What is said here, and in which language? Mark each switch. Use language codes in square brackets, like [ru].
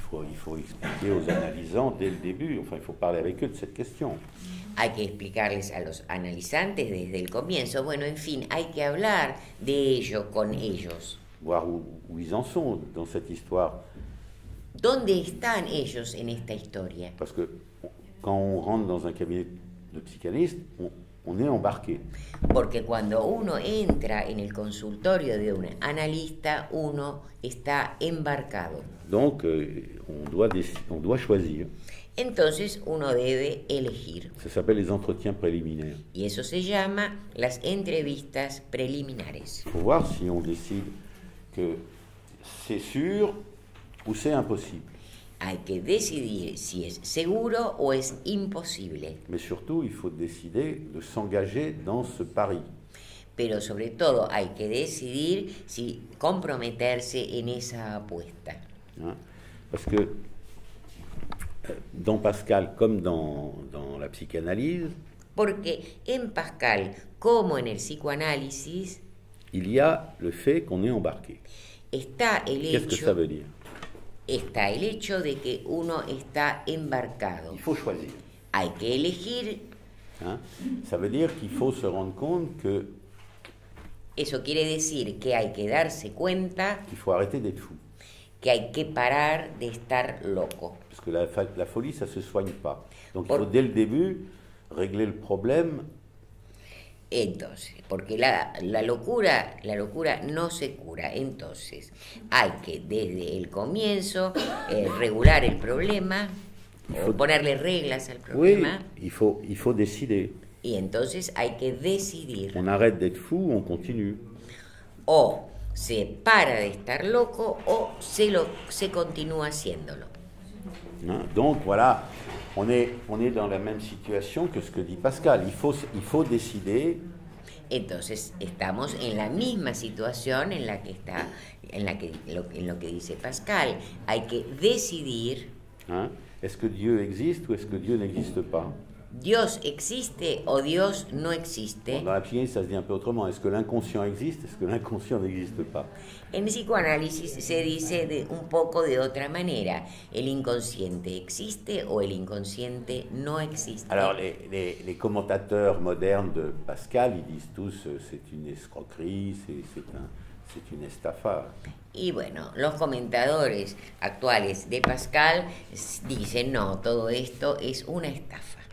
[fr] Il faut expliquer aux analysants dès le début, enfin il faut parler avec eux de cette question. [es] Hay que explicarles a los analizantes desde el comienzo. Bueno, en fin, hay que hablar de ello con ellos. [fr] Voir où ils en sont dans cette histoire. [es] ¿Dónde están ellos en esta historia? [fr] Parce que quand on rentre dans un cabinet de psychanalyste, on est embarqué. [es] Porque cuando uno entra en el consultorio de un analista, uno está embarcado. [fr] Donc, on doit choisir. [es] Entonces uno debe elegir. [fr] Ça s'appelle les entretiens préliminaires. [es] Y eso se llama las entrevistas preliminares. [fr] Pour voir si on décide que c'est sûr ou c'est impossible. [es] Hay que decidir si es seguro o es imposible. [fr] Mais surtout, il faut décider de s'engager dans ce pari. [es] Pero sobre todo hay que decidir si comprometerse en esa apuesta. Hein? [fr] Parce que dans Pascal comme dans la psychanalyse, [es] Porque en Pascal, como en el psicoanálisis, [fr] il y a le fait qu'on est embarqué. [es] Está el hecho. ¿Qué es que [fr] ça veut dire? [es] Está el hecho de que uno está embarcado. [fr] Il faut choisir. [es] Hay que elegir. Hein? [fr] Ça veut dire qu'il faut se rendre compte que. [es] Eso quiere decir que hay que darse cuenta. [fr] Qu'il faut arrêter d'être fou. [es] Que hay que parar de estar loco. [fr] Parce que la folie, ça se soigne pas. Donc il faut dès le début régler le problème. [es] Entonces, porque la locura no se cura. Entonces, hay que desde el comienzo regular el problema, ponerle reglas al problema. [fr] Oui, il faut décider. [es] Y entonces hay que decidir. [fr] On arrête d'être fou, on continue. [es] O se para de estar loco o se continúa haciéndolo. [fr] Donc voilà, on est dans la même situation que ce que dit Pascal. Il faut décider. [es] Entonces estamos en la misma situación en la que está en lo que dice Pascal. Hay que decidir. Hein? [fr] Est-ce que Dieu existe ou est-ce que Dieu n'existe pas? [es] Dios existe o Dios no existe. [fr] Bon, dans la psychanalyse, ça se dit un peu autrement. Est-ce que l'inconscient existe? Est-ce que l'inconscient n'existe pas? [es] En psicoanálisis se dice de un poco de otra manera. El inconsciente existe o el inconsciente no existe. [fr] Alors les commentateurs modernes de Pascal, ils disent tous c'est une escroquerie, c'est une estafa. [es] Y bueno, los comentadores actuales de Pascal dicen no, todo esto es una estafa.